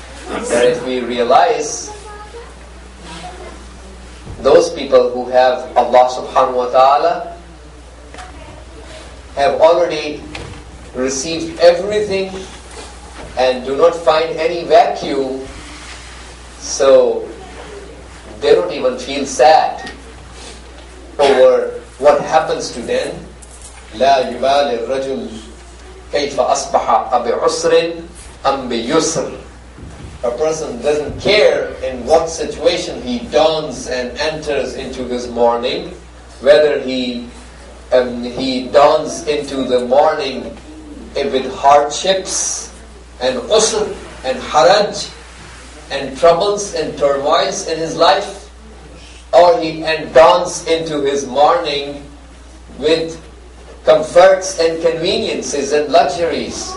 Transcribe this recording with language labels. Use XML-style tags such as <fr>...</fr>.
<en>That if we realize those people who have Allah subhanahu wa ta'ala have already received everything and do not find any vacuum, So they don't even feel sad over what happens to them.</en> <ar>لا يبالي الرجل كيف أصبح بعسر أم بيسر.</ar> <en>A person doesn't care in what situation he dawns and enters into his morning, whether he dawns into the morning with hardships and usr and haraj and troubles and turmoils in his life, or he dawns into his morning with comforts and conveniences and luxuries.</en>